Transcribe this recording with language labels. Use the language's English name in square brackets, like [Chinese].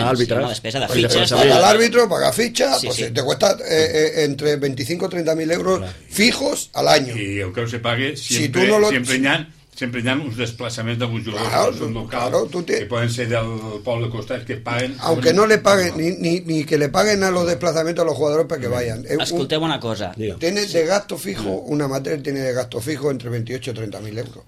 [Catalan] Hi ha una despesa de fitxes. Paga l'àrbitro, paga fitxa, sí. [Spanish] Te cuesta entre 25 o 30.000 euros fijos al any. [Catalan] I el que se pague, sempre hi ha uns desplaçaments d'alguns jugadors, [Spanish] claro, de un local, claro, [Catalan] que poden ser del poble de costat, que paguen... [Spanish] Aunque no le paguen, ni que le paguen a los desplazamientos a los jugadores perquè vayan. [Catalan] Escolteu una cosa. [Spanish] Tiene de gasto fijo, un amateur tiene de gasto fijo entre 28 o 30.000 euros.